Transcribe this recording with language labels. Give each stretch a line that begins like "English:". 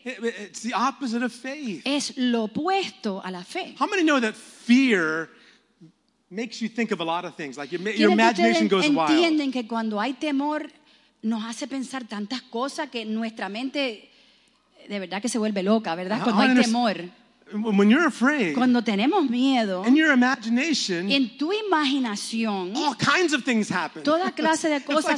English: It's the opposite of faith.
Spanish: Es lo opuesto a la fe.
English: How many know that fear makes you think of a lot of things, like your imagination goes wild.
Spanish: Entienden que cuando hay temor nos hace pensar tantas cosas que nuestra mente de verdad que se vuelve loca, ¿verdad? Cuando hay temor.
English: When you're afraid,
Spanish: cuando tenemos miedo,
English: in your imagination,
Spanish: en tu imaginación,
English: all kinds of things happen.
Spanish: Toda clase de cosas